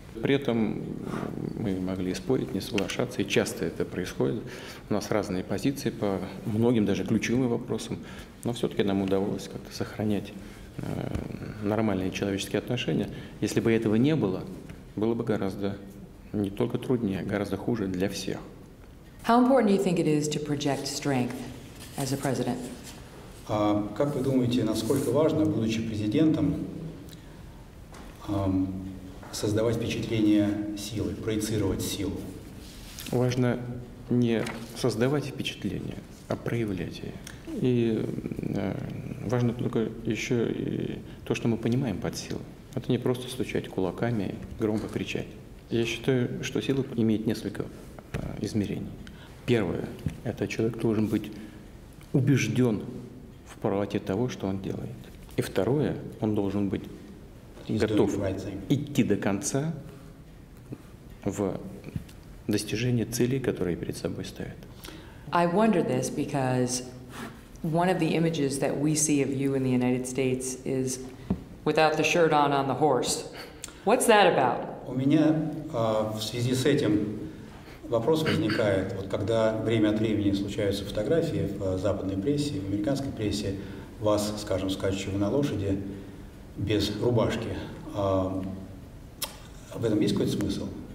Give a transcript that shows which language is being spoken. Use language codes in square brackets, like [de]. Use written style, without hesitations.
[ru] При этом мы могли спорить, не соглашаться, и часто это происходит. У нас разные позиции по многим, даже ключевым вопросам, но все-таки нам удавалось как-то сохранять нормальные человеческие отношения. Если бы этого не было, было бы гораздо не только труднее, гораздо хуже для всех. [en] How important do you think it is to project strength as a president? [ru] Как вы думаете, насколько важно, будучи президентом, создавать впечатление силы, проецировать силу? Важно не создавать впечатление, а проявлять ее. И важно только еще и то, что мы понимаем под силой. Это не просто стучать кулаками, громко кричать. Я считаю, что сила имеет несколько измерений. Первое – это человек должен быть убежден в правоте того, что он делает. И второе – он должен быть готов идти до конца в достижении целей, которые перед собой ставят. [en] I wonder this because one of the images that we see of you in the United States is without the shirt on the horse. What's that about? [ru] У меня в связи с этим вопрос возникает. Вот когда время от времени случаются фотографии в западной прессе, в американской прессе, вас, скажем, скачущего на лошади, без рубашки. В этом есть какой-то смысл?